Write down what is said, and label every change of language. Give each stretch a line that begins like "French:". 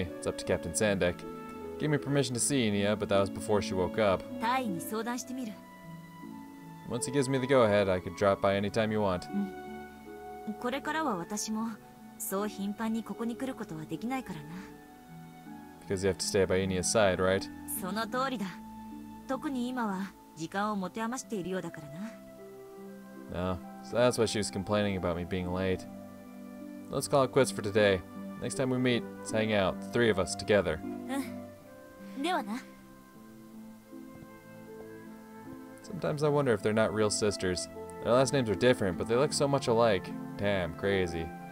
English: It's up to Captain Sandek. Gave me permission to see Inia, but that was before she woke up. Once he gives me the go-ahead, I could drop by anytime you want. Because you have to stay by Inia's side, right?
Japanese: その通りだ。特に今は時間を持て余しているようだからな。
English: No, so that's why she was complaining about me being late. Let's call it quits for today. Next time we meet, let's hang out, the three of us together.
Japanese: ではな。
English: Sometimes I wonder if they're not real sisters. Their last names are different, but they look so much alike. Damn, crazy.